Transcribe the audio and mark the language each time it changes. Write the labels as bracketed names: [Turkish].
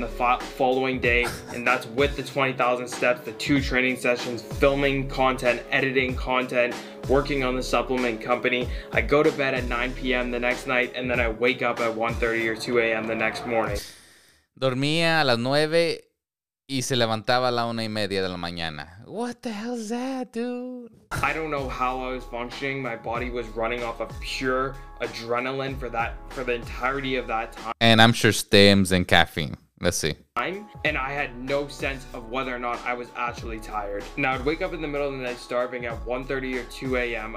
[English] the following day, and that's with the 20,000 steps, the 2 training sessions, filming content, editing content, working on the supplement company. I go to bed at 9 p.m. the next night, and then I wake up at 1:30 or 2 a.m. the next morning. [Spanish] Dormía a las 9 y se levantaba a la 1:30 de la mañana. [English] What the hell is that, dude? I don't know how I was functioning. My body was running off of pure adrenaline for the entirety of that time. And I'm sure stims and caffeine. Let's see. And I had no sense of whether or not I was actually tired. Now, I'd wake up in the middle of the night starving at 1:30 or 2 a.m.